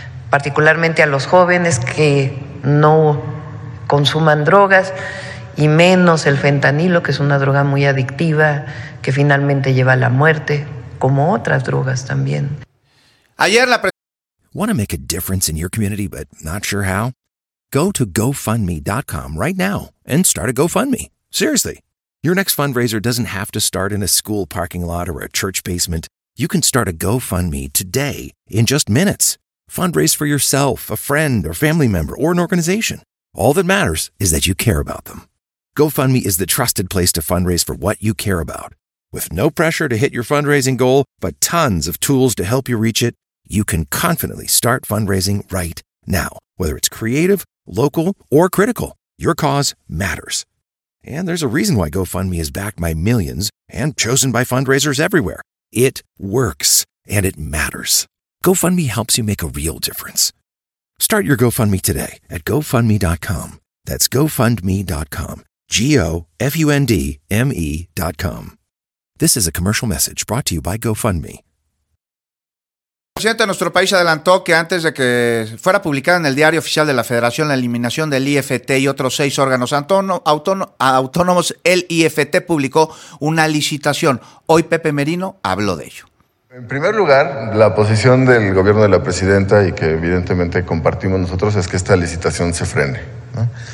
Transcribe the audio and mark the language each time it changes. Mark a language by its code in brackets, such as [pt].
[es] particularmente a los jóvenes, que no consuman drogas y menos el fentanilo, que es una droga muy adictiva que finalmente lleva a la muerte, como otras drogas también. Ayer la [en] Want to make a difference in your community but not sure how? Go to GoFundMe.com right now and start a GoFundMe. Seriously. Your next fundraiser doesn't have to start in a school parking lot or a church basement. You can start a GoFundMe today in just minutes. Fundraise for yourself, a friend, or family member, or an organization. All that matters is that you care about them. GoFundMe is the trusted place to fundraise for what you care about. With no pressure to hit your fundraising goal, but tons of tools to help you reach it, you can confidently start fundraising right now. Whether it's creative, local, or critical, your cause matters. And there's a reason why GoFundMe is backed by millions and chosen by fundraisers everywhere. It works, and it matters. GoFundMe helps you make a real difference. Start your GoFundMe today at GoFundMe.com. That's GoFundMe.com. GoFundMe.com. This is a commercial message brought to you by GoFundMe. [es] El presidente de nuestro país adelantó que antes de que fuera publicada en el Diario Oficial de la Federación la eliminación del IFT y otros 6 órganos autónomos, el IFT publicó una licitación. Hoy Pepe Merino habló de ello. En primer lugar, la posición del gobierno de la presidenta, y que evidentemente compartimos nosotros, es que esta licitación se frene, ¿no?